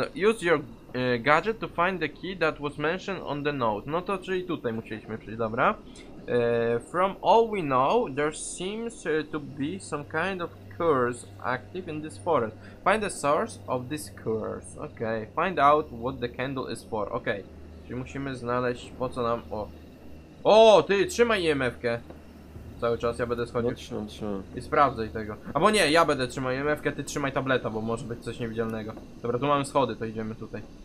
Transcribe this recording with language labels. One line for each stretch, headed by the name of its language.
English: Use your gadget to find the key that was mentioned on the note.
Polish: No to czyli tutaj musieliśmy przyjść, dobra.
English: From all we know, there seems to be some kind of curse active in this forest. Find the source of this curse. Okay, find out what the candle is for.
Polish: Okay, czyli musimy znaleźć po co nam... O, o ty, trzymaj EMF-kę. Cały czas ja będę schodził. No, trzymam. I sprawdzaj tego. Albo nie, ja będę trzymał EMF-kę, ty trzymaj tableta, bo może być coś niewidzialnego. Dobra, tu mamy schody, to idziemy tutaj.